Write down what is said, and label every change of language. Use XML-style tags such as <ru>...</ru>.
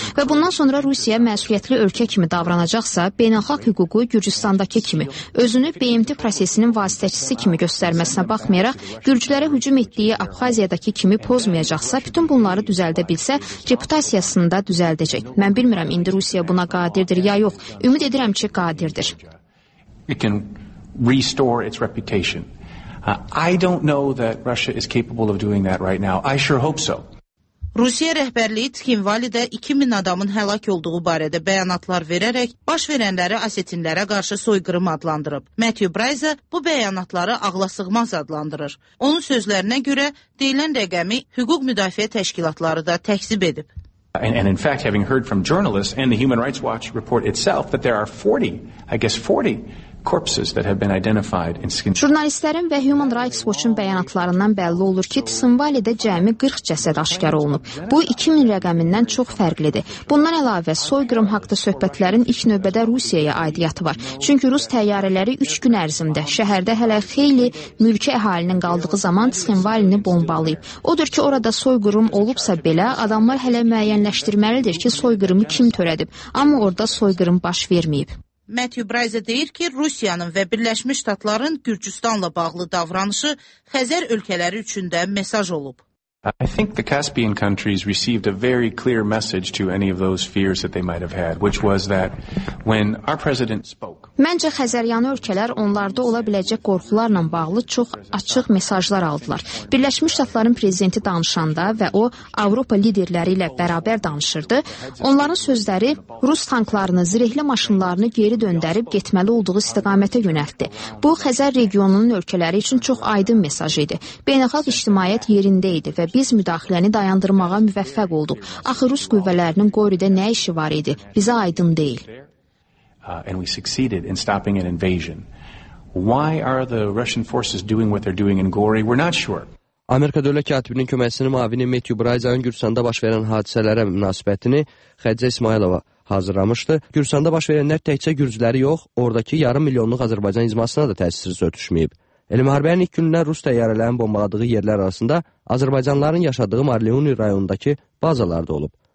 <az>Və bundan sonra Rusiya məsuliyyətli ölkə kimi davranacaqsa, beynəlxalq hüququ Gürcüstandakı kimi özünü BMT prosesinin vasitəçisi kimi göstərməlidir. Məsələ baxmayaraq, gürcülərə hücum etdiyi Abxaziyadakı kimi pozmayacaqsa, bütün bunları düzəldə bilsə, reputasiyasını da düzəldəcək. Mən bilmirəm, indi Rusiya buna qadirdir ya yox. Ümid edirəm ki, qadirdir.</az> <en>It can restore its reputation. I don't know that Russia is capable of doing that right now. I sure hope so.</en> <az>Rusiya rəhbərliyi Tximvalidə 2000 adamın həlak olduğu barədə bəyanatlar verərək baş verənləri asetinlərə qarşı soyqırım adlandırıb. Matthew Braza bu bəyanatları ağlasığmaz adlandırır. Onun sözlərinə görə deyilən rəqəmi hüquq müdafiə təşkilatları da təkzib edib.</az> <en>And in fact, having heard from journalists and the Human Rights Watch report itself that there are 40, I guess 40 corpses that have been identified in Skin.</en> <az>Jurnalistlərin və Human Rights Watch-un bəyanatlarından bəlli olur ki, Tsimvalidə cəmi 40 cəsəd aşkar olunub. Bu 2000 rəqəmindən çox fərqlidir. Bundan əlavə, soyqırım haqqında söhbətlərin ilk növbədə Rusiyaya aidiyyatı var. Çünki Rus təyyarələri 3 gün ərzində şəhərdə hələ xeyli mülki əhalinin qaldığı zaman Tsimvalini bombalayıb. Odur ki, orada soyqırım olubsa belə, adamlar hələ müəyyənləşdirməlidir ki, soyqırımı kim törədib. Amma orada soyqırım baş verməyib. Matthew Braza deyir ki, Rusiyanın və Birləşmiş Ştatların Gürcüstanla bağlı davranışı Xəzər ölkələri üçün də mesaj olub.</az> <en>I think the Caspian countries received a very clear message to any of those fears that they might have had, which was that when our president spoke.</en> <az>Məncə Xəzəryanı ölkələr onlarda ola biləcək qorxularla bağlı çox açıq mesajlar aldılar. Birləşmiş Ştatların prezidenti danışanda və o Avropa liderləri ilə bərabər danışırdı. Onların sözləri Rus tanklarını, zirehli maşınlarını geri döndərib getməli olduğu istiqamətə yönəltdi. Bu Xəzər regionunun ölkələri üçün çox aydın mesaj idi. Beynəlxalq ictimaiyyət yerində idi. Və biz müdaxiləni dayandırmağa müvəffəq olduq. Axı Rus qüvvələrinin Qoridə nə işi var idi? Bizə aydın deyil.</az> <en>And we succeeded in stopping an invasion. Why are the Russian forces doing what they're doing in Gori? We're not sure.</en> <az>Amerika Dövlət Katibinin köməkçisinin müavini Matthew Braza'nın Gürcüstanda baş verən hadisələrə münasibətini Xədicə İsmayılova hazırlamışdı. Gürcüstanda baş verənlər təkcə gürcüləri yox, oradakı yarım milyonluq Azərbaycan icmasına da təsirsiz ötüşməyib. Elə müharibənin ilk günündən Rus təyyarələrin bombaladığı yerlər arasında Azərbaycanlıların yaşadığı Marliuni rayonundakı bazalar da olub.</az>